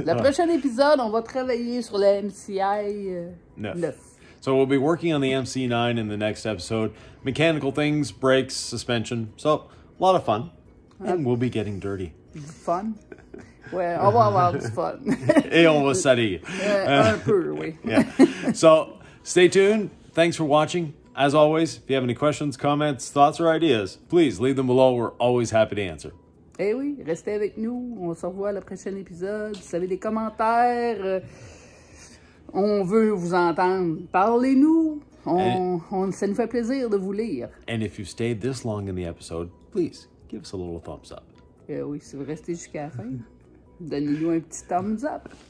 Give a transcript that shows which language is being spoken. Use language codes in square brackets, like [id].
[fr] Le prochain épisode, on va travailler sur la MCI 9. [en] So we'll be working on the MC9 in the next episode. Mechanical things, brakes, suspension. So, a lot of fun. And we'll be getting dirty. [fr] Fun? Ouais, on va avoir du fun. Et on va s'aller. Un peu, oui. [en] Yeah. So, stay tuned. Thanks for watching. As always, if you have any questions, comments, thoughts, or ideas, please leave them below. We're always happy to answer. [fr] Eh oui, restez avec nous. On se revoit à le prochain épisode. Si vous avez des commentaires, on veut vous entendre. Parlez-nous. Ça nous fait plaisir de vous lire. [en] And if you stayed this long in the episode, please give us a little thumbs up. [fr] Eh oui, si vous restez jusqu'à la fin, donnez-nous un petit thumbs up.